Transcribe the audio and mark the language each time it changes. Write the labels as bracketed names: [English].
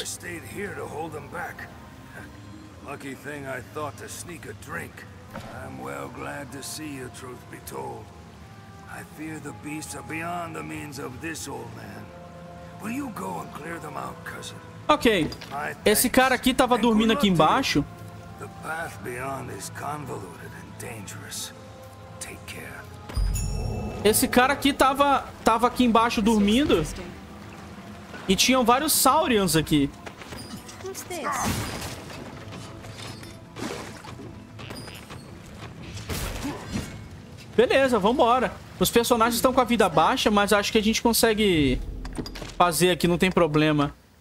[English] I stayed here to hold them back. Lucky thing I thought to sneak a drink. I'm well glad to see you, truth be told. I fear the beasts are beyond the means of this old man. Will you go and clear them out, cousin? Okay. [Portuguese] Esse cara aqui tava dormindo aqui embaixo. [English] The path beyond is convoluted and dangerous. Take care. [Portuguese] Esse cara aqui tava aqui embaixo dormindo. E tinham vários Saurians aqui. Beleza, vambora. Os personagens estão com a vida baixa, mas acho que a gente consegue fazer aqui, não tem problema.